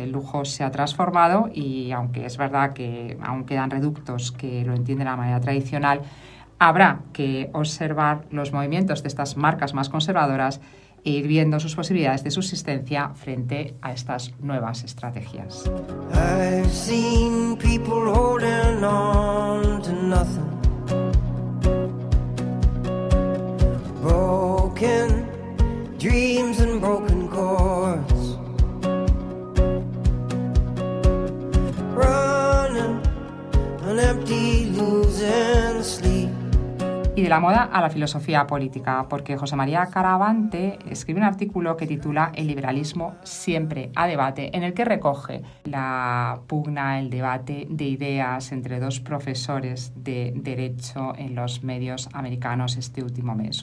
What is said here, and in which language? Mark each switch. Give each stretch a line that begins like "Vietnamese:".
Spanish: El lujo se ha transformado y, aunque es verdad que aún quedan reductos que lo entienden de la manera tradicional, habrá que observar los movimientos de estas marcas más conservadoras e ir viendo sus posibilidades de subsistencia frente a estas nuevas estrategias.
English: I've seen people holding on to nothing. Broken. Dreams and broken cords, running on empty, losing sleep.
Spanish: Y de la moda a la filosofía política, porque José María Caravante escribe un artículo que titula El liberalismo siempre a debate, en el que recoge la pugna, el debate de ideas entre dos profesores de derecho en los medios americanos este último mes.